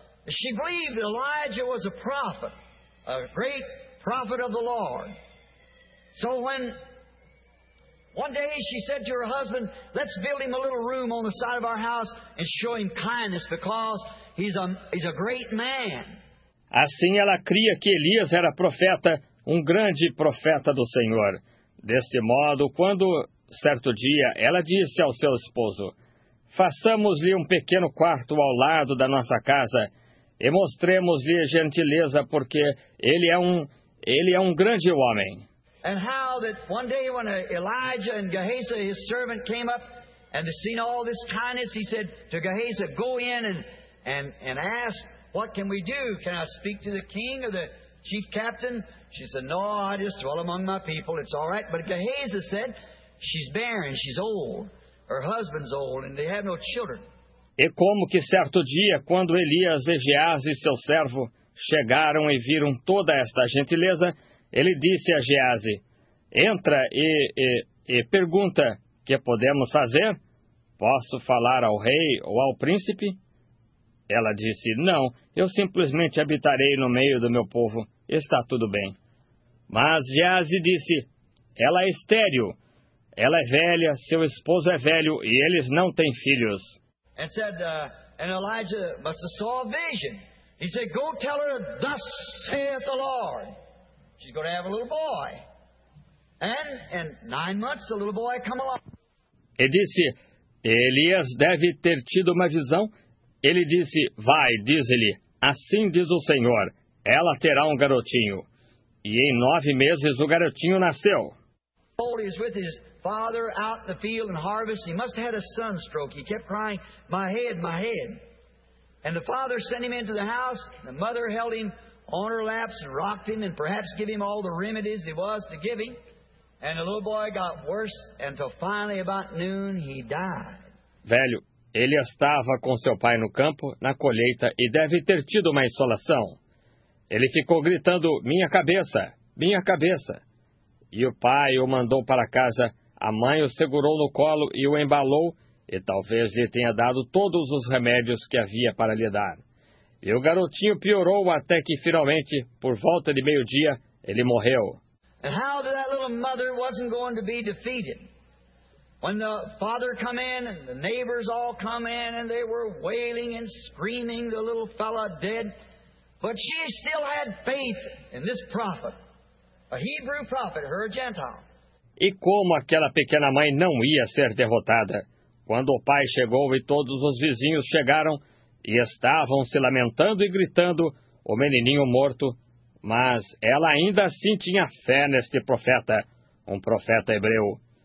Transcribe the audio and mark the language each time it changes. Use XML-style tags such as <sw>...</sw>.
<en>She believed Elijah was a prophet, a great prophet of the Lord. So when one day she said to her husband, let's build him a little room on the side of our house and show him kindness because he's a great man.</en> <pt>Assim ela cria que Elias era profeta, um grande profeta do Senhor. Deste modo, quando certo dia ela disse ao seu esposo, façamos-lhe um pequeno quarto ao lado da nossa casa e mostremos-lhe gentileza, porque ele é um grande homem.</pt> <en>And how that one day when Elijah and Gehazi, his servant, came up and had seen all this kindness, he said to Gehazi, go in and ask, what can we do? Can I speak to the king or the chief captain? She said, no, I just dwell among my people. It's all right. But Gehazi said, she's barren, she's old. Her husband's old and they have no children.</en> <pt>E como que certo dia, quando Elias, Gehazi e seu servo chegaram e viram toda esta gentileza, ele disse a Gehazi, entra e pergunta, que podemos fazer? Posso falar ao rei ou ao príncipe? Ela disse, não, eu simplesmente habitarei no meio do meu povo, está tudo bem. Mas Gehazi disse, ela é estéril, ela é velha, seu esposo é velho e eles não têm filhos.</pt> <en>And said, and Elijah must have saw a vision. He said, go tell her, thus saith the Lord. She's going to have a little boy. And in 9 months, the little boy come along.</en> <pt>E disse, Elias deve ter tido uma visão. Ele disse, vai, diz-lhe, assim diz o Senhor, ela terá um garotinho. E em 9 meses, o garotinho nasceu.</pt> <en>He's with his father out in the field and harvest. He must have had a sunstroke. He kept crying, my head, my head. And the father sent him into the house. The mother held him on her laps and rocked him and perhaps gave him all the remedies there was to give him. And the little boy got worse until finally about noon he died.</en> <pt>Velho, ele estava com seu pai no campo, na colheita, e deve ter tido uma insolação. Ele ficou gritando, minha cabeça, minha cabeça. E o pai o mandou para casa, a mãe o segurou no colo e o embalou, e talvez lhe tenha dado todos os remédios que havia para lhe dar. E o garotinho piorou até que finalmente, por volta de meio-dia, ele morreu.</pt> <en>And how that little mother wasn't going to be defeated. When the father come in and the neighbors all come in and they were wailing and screaming, the little fella dead. But she still had faith in this prophet. A Hebrew prophet, her Gentile.</en> <pt>E como aquela pequena mãe não ia ser derrotada? Quando o pai chegou e todos os vizinhos chegaram e estavam se lamentando e gritando, o menininho morto, mas ela ainda assim tinha fé neste profeta, um profeta hebreu.</pt>